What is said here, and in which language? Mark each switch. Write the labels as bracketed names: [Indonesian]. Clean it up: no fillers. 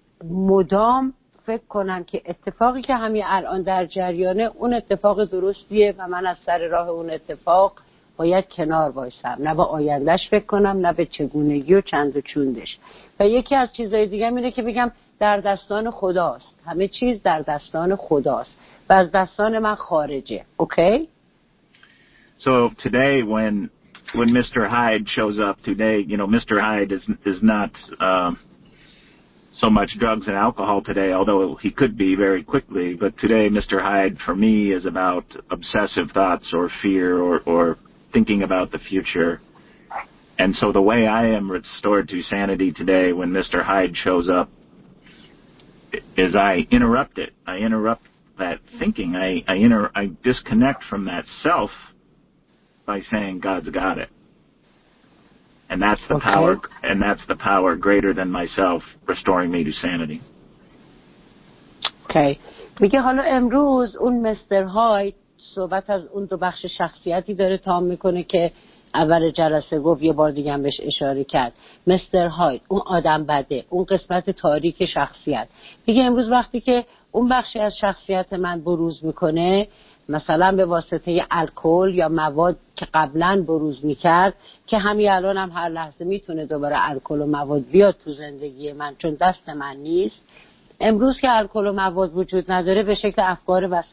[Persian] مدام فکر کنم که اتفاقی که همین الان در جریانه اون اتفاق درستیه و من از سر راه اون اتفاق باید کنار بایستم، نه به آیندهش فکر کنم، نه به چگونگی و چند و چوندش. و یکی از چیزهای دیگه اینه که بگم در دستان خداست، همه چیز در دستان خداست و از دستان من خارجه. [English] Okay? So today when Mr. Hyde shows up today, you know, Mr. Hyde is not so much drugs and alcohol today, although he could be very quickly, but today Mr. Hyde for me is about obsessive thoughts or fear or thinking about the future. And so the way I am restored to sanity today when Mr. Hyde shows up is I interrupt it. I interrupt that thinking. I disconnect from that self by saying God's got it. And that's the power, and that's the power greater than myself restoring me to sanity. Okay. [Persian] میگه حالا امروز اون مستر هایت صحبت از اون دو بخش شخصیتی داره تام میکنه که اول جلسه گفت، یه بار دیگه هم بهش اشاره کرد. مستر هایت، اون آدم بده، اون قسمت تاریک شخصیت. میگه امروز وقتی که اون بخشی از شخصیت من بروز میکنه، مثلا به واسطه الکل یا مواد که قبلا بروز میکرد، که همین الان هم هر لحظه میتونه دوباره الکل و مواد بیاد تو زندگی من چون دست من نیست، امروز که الکل و مواد وجود نداره، به شکل افکار